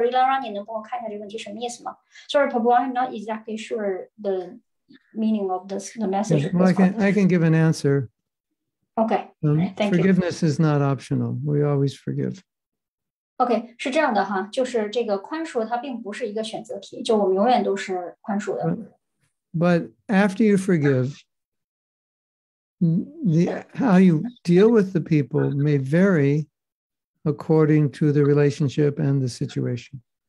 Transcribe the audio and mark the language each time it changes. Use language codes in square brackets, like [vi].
[en] I'm exactly, [zh] 请问这个就是十二的这位奉献人，能再重新说一下您这个问题吗？或者让你能帮我看一下这个问题什么意思吗？ [en] Sorry, Prabhu, I'm not exactly sure the meaning of this, the message. Well, I can give an answer. Okay, thank forgiveness you. Is not optional. We always forgive. [zh] OK, 是这样的哈，就是这个宽恕它并不是一个选择题，就我们永远都是宽恕的。 [en] But after you forgive, how you deal with the people may vary according to the relationship and the situation.